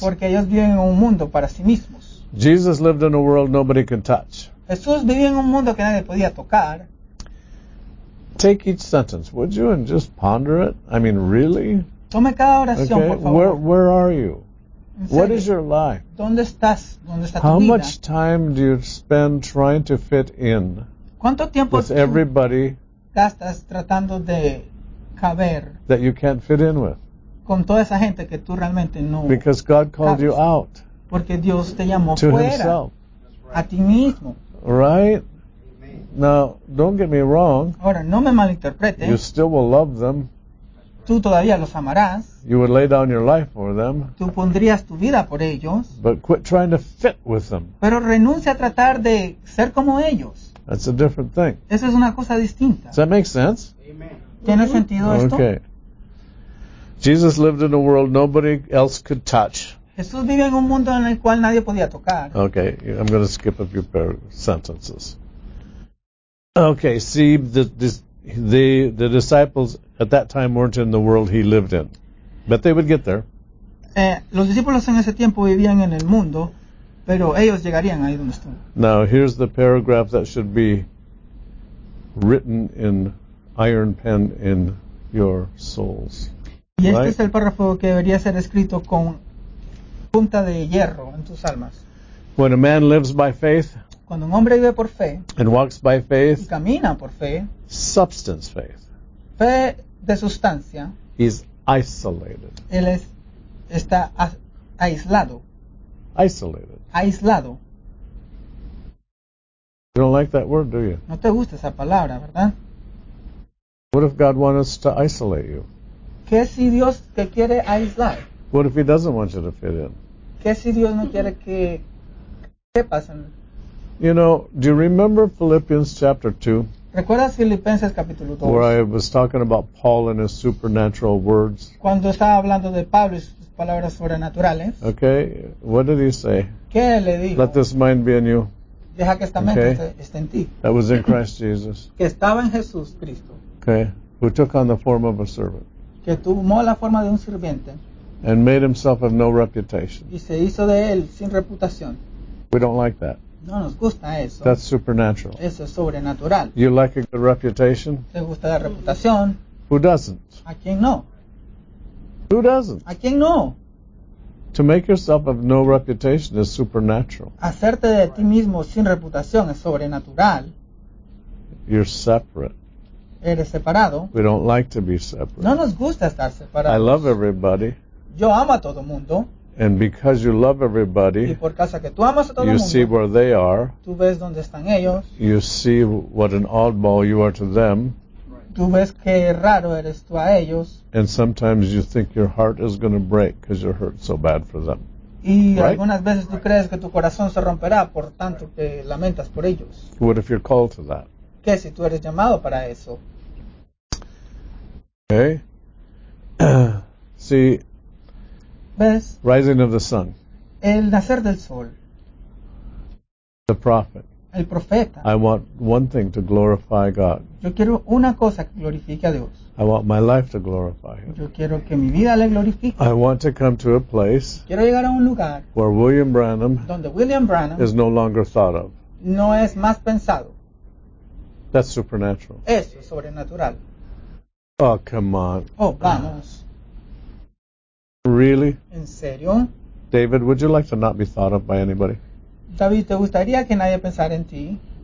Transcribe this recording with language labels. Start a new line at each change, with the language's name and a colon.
Spanish: Porque ellos viven en un mundo para sí mismos.
English: Jesus lived in a world nobody could touch.
Spanish: Jesús vivía en un mundo que nadie podía tocar.
English: Take each sentence, would you, and just ponder it? I mean, really?
Spanish: Tome cada oración,
English: okay?
Spanish: Por favor.
English: Where are you? What is your life?
Spanish: ¿Dónde estás? ¿Dónde está tu
English: How
Spanish: vida?
English: Much time do you spend trying to fit in
Spanish: ¿Cuánto tiempo
English: with everybody
Spanish: gastas tratando de caber
English: that you can't fit in with?
Spanish: Con toda esa gente que tú realmente no
English: Because God called
Spanish: cabes.
English: You out
Spanish: Porque Dios te llamó
English: to
Spanish: fuera,
English: himself.
Spanish: A ti mismo.
English: Right? Now, don't get me wrong.
Spanish: Ahora, no me malinterprete.
English: You still will love them.
Spanish: Tú todavía los amarás.
English: You would lay down your life for them.
Spanish: Tú pondrías tu vida por ellos.
English: But quit trying to fit with them.
Spanish: Pero renuncia a tratar de ser como ellos.
English: That's a different thing.
Spanish: Eso es una cosa distinta.
English: Does that make sense?
Spanish: Amen. ¿Tiene sentido esto?
English: Okay. Jesus lived in a world nobody else could touch.
Spanish: Jesús vive en un mundo en el cual nadie podía tocar.
English: Okay, I'm going to skip a few pair of sentences. Okay, see, the disciples at that time weren't in the world he lived in. But they would get there.
Spanish: Los discípulos en ese tiempo vivían en el mundo, pero ellos llegarían ahí donde estuvo.
English: Now, here's the paragraph that should be written in iron pen in your souls.
Spanish: Y este
English: right?
Spanish: es el párrafo que debería ser escrito con punta de hierro en tus almas.
English: When a man lives by faith,
Spanish: cuando un hombre vive por fe,
English: and walks by faith,
Spanish: y camina por fe,
English: substance faith,
Spanish: fe de sustancia,
English: is isolated.
Spanish: Él es, está aislado.
English: Isolated.
Spanish: Aislado.
English: You don't like that word, do you?
Spanish: No te gusta esa palabra, ¿verdad?
English: What if God wants us to isolate you?
Spanish: ¿Qué si Dios te quiere aislar?
English: What if he doesn't want you to fit in?
Spanish: ¿Qué si Dios no quiere que sepas en
English: You know, do you remember Philippians chapter 2?
Spanish: ¿Recuerdas Filipenses capítulo 2?
English: Where I was talking about Paul and his supernatural words.
Spanish: Cuando estaba hablando de Pablo y sus palabras sobrenaturales.
English: Okay, what did he say?
Spanish: ¿Qué le dijo?
English: Let this mind be in you.
Spanish: Deja que esta mente esté en ti.
English: That was in Christ Jesus.
Spanish: Que estaba en Jesús Cristo.
English: Okay, who took on the form of a servant.
Spanish: Que tomó la forma de un sirviente.
English: and made himself of no reputation.
Spanish: Y se hizo de él sin reputación.
English: We don't like that.
Spanish: No nos gusta eso.
English: That's supernatural.
Spanish: Eso es sobrenatural.
English: You like a good reputation?
Spanish: ¿Te gusta la reputación?
English: Who doesn't?
Spanish: ¿A quién no?
English: Who doesn't?
Spanish: ¿A quién no?
English: To make yourself of no reputation is supernatural.
Spanish: Hacerte de ti mismo sin reputación es sobrenatural.
English: You're separate.
Spanish: Eres separado.
English: We don't like to be separate.
Spanish: No nos gusta estar separados.
English: I love everybody.
Spanish: Yo amo a todo mundo.
English: And because you love everybody,
Spanish: y por causa que tú amas a todo
English: you
Spanish: mundo,
English: see where they are.
Spanish: Tú ves dónde están ellos.
English: You see what an oddball you are to them.
Spanish: Tú ves qué raro eres tú a ellos.
English: And sometimes you think your heart is going to break because you're hurt so bad for them.
Spanish: Y algunas veces tú crees que tu corazón se romperá por tanto que lamentas por ellos.
English: What if you're called to that?
Spanish: ¿Qué si tú eres llamado para eso?
English: Okay. See.
Spanish: ¿Ves?
English: Rising of the sun.
Spanish: El nacer del sol.
English: The prophet.
Spanish: El profeta.
English: I want one thing to glorify God.
Spanish: Yo quiero una cosa que glorifique a Dios.
English: I want my life to glorify Him.
Spanish: Yo quiero que mi vida le glorifique.
English: I want to come to a place.
Spanish: Quiero llegar a un lugar.
English: Where William Branham.
Spanish: Donde William Branham.
English: Is no longer thought of.
Spanish: No es más pensado.
English: That's supernatural.
Spanish: Eso es sobrenatural.
English: Oh, come on.
Spanish: Oh, vamos.
English: Really?
Spanish: ¿En serio?
English: David, would you like to not be thought of by anybody?
Spanish: David, ¿te gustaría que nadie pensara en ti?